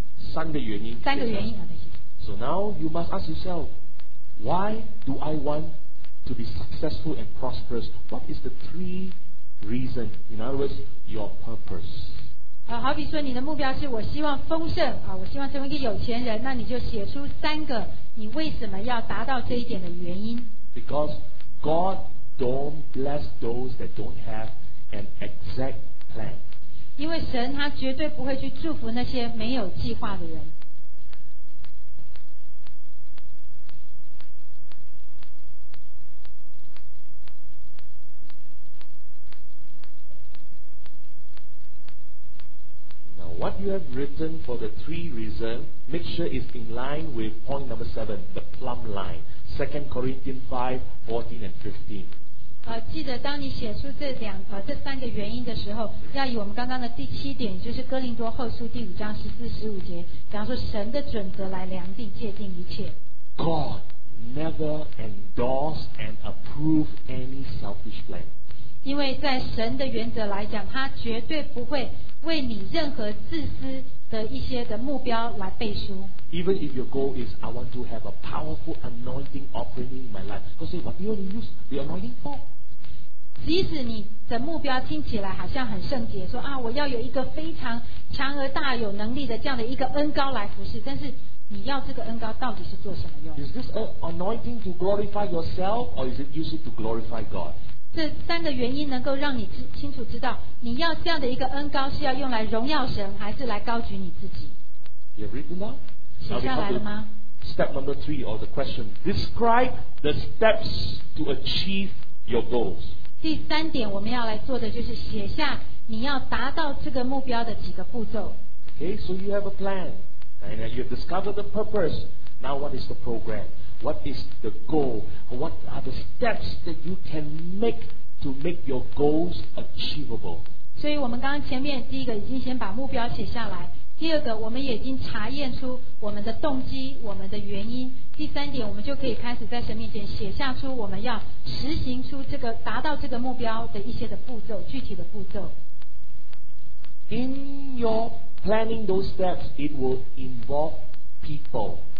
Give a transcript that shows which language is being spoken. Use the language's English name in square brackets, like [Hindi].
[Chinese] 三个原因。 [English] So now you must ask yourself, why do I want to be successful and prosperous? What is the three reasons? In other words, your purpose. [Chinese] 好比说你的目标是我希望丰盛我希望成为一个有钱人，那你就写出三个你为什么要达到这一点的原因。 [English] Because God don't bless those that don't have. An exact plan. [Chinese] 因为神他绝对不会去祝福那些没有计划的人。 [English] Now, what you have written for the three reasons, make sure is in line with point number seven, the plumb line, 2 Corinthians 5:14-15. [Chinese] 记得当你写出这三个原因的时候，要以我们刚刚的第七点，就是哥林多后书第五章14-15节，讲说神的准则来量定界定一切。 [English] God never endorse and approve any selfish plan. [Chinese] 因为在神的原则来讲，他绝对不会为你任何自私的一些的目标来背书。 [English] Even if your goal is I want to have a powerful anointing operating in my life, God says, what do you want to use the anointing for? [Chinese] 即使你的目标听起来好像很圣洁，说啊，我要有一个非常强而大有能力的这样的一个恩膏来服侍，但是你要这个恩膏到底是做什么用 [English] ？Is this an anointing to glorify yourself, or is it used to glorify God? [Chinese] 这三个原因能够让你清楚知道你要这样的一个恩膏是要用来荣耀神还是来高举你自己。 [English] You have written that? [Chinese] 写下来了吗？ [English] Step number three or the question, describe the steps to achieve your goals. [Chinese] 第三点我们要来做的就是写下你要达到这个目标的几个步骤。 [English] Okay, so you have a plan and you have discovered the purpose. Now what is the programWhat is the goal? What are the steps that you can make to make your goals achievable? [Chinese] 所以我们刚刚前面第一个已经先把目标写下来，第二个我们也已经查验出我们的动机、我们的原因。第三点，我们就可以开始在神面前写下出我们要实行出这个达到这个目标的一些的步骤，具体的步骤。 [English] In your planning those steps, it will involve people.